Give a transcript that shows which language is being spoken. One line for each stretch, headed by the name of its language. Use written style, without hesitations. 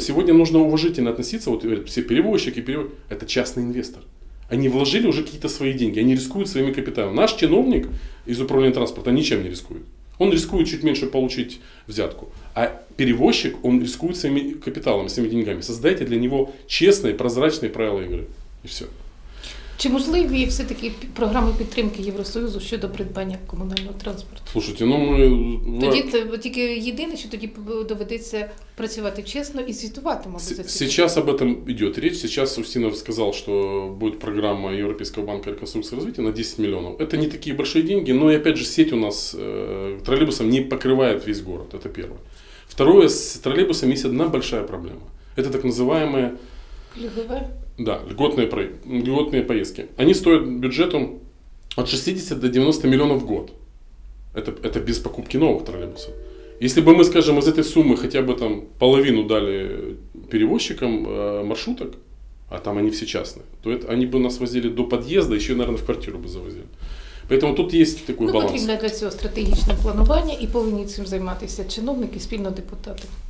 Russian: Сегодня нужно уважительно относиться. Вот все перевозчики, это частный инвестор. Они вложили уже какие-то свои деньги. Они рискуют своими капиталами. Наш чиновник из управления транспорта ничем не рискует. он рискует чуть меньше получить взятку. А перевозчик, он рискует своими капиталами, своими деньгами. Создайте для него честные, прозрачные правила игры. И все.
Ukrainian: Чи можливі все-таки програми підтримки Євросоюзу щодо придбання комунального транспорту?
Russian: Слушайте, ну ми...
Ukrainian: Тоді тільки єдине, що тоді доведеться працювати чесно і звітувати, мабуть, за цю. Зараз
Russian: об этом
Ukrainian: йде річ. Зараз Устінов сказав, що буде програма Європейського банку реконструкції та розвитку на 10 мільйонів. Це не такі великі гроші, але,
Russian: опять же,
Ukrainian: сеть у нас тролейбусом не покриває весь город. Це перше.
Russian: Второе,
Ukrainian: з тролейбусом є одна велика проблема. Це так називаємо... Льгове?
Russian: Да, льготные поездки. Они стоят бюджету от 60 до 90 миллионов в год. Это без покупки новых троллейбусов. Если бы мы, скажем, из этой суммы хотя бы там половину дали перевозчикам маршруток, а там они все частные, то это, они бы нас возили до подъезда, еще, наверное, в квартиру бы завозили. Поэтому тут есть такой баланс.
Ukrainian: Ну, потрібне для цього стратегічне планування і повинні цим займатися чиновники, спільно депутати.